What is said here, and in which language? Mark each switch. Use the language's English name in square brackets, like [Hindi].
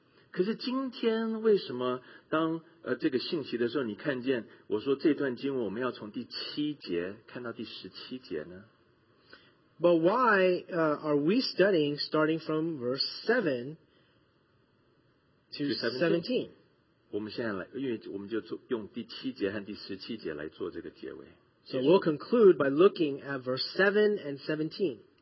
[Chinese] 可是今天为什么当这个信息的时候，你看见我说这段经文我们要从第七节看到第十七节呢？ [English] But why are we studying starting from verse 7 to 17? [Chinese] 我们现在来，因为我们就用第七节和第十七节来做这个结尾。 [English] So we'll conclude by looking at verse 7 and 17.